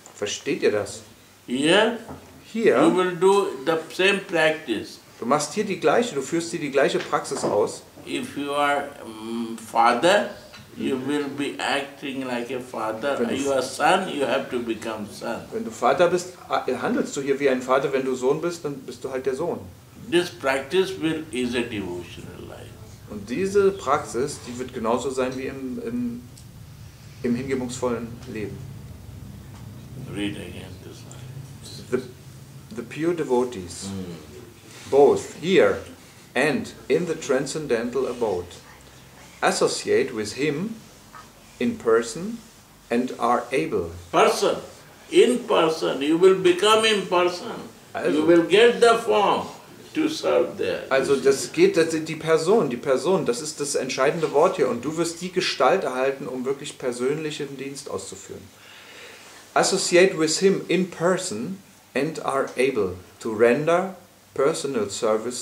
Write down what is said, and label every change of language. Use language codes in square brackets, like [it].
[de] Versteht ihr das? [en] Here. You will do the same practice. [de] Du machst hier die gleiche. Du führst hier die gleiche Praxis aus. [en] If you are father, you will be acting like a father. You are son, you have to become son. [de] Wenn du Vater bist, handelst du hier wie ein Vater. Wenn du Sohn bist, dann bist du halt der Sohn. [en] This practice will is a devotional life. [de] Und diese Praxis, die wird genauso sein wie im hingebungsvollen Leben. [en] Read again this line. The pure devotees, both here and in the transcendental abode, associate with him in person and are able. Person, in person, you will become in person. Also, you will get the form to serve there. [de] Also das geht, das ist die Person, das ist das entscheidende Wort hier. Und du wirst die Gestalt erhalten, um wirklich persönlichen Dienst auszuführen. [en] Associate with him in person and are able to render personal service.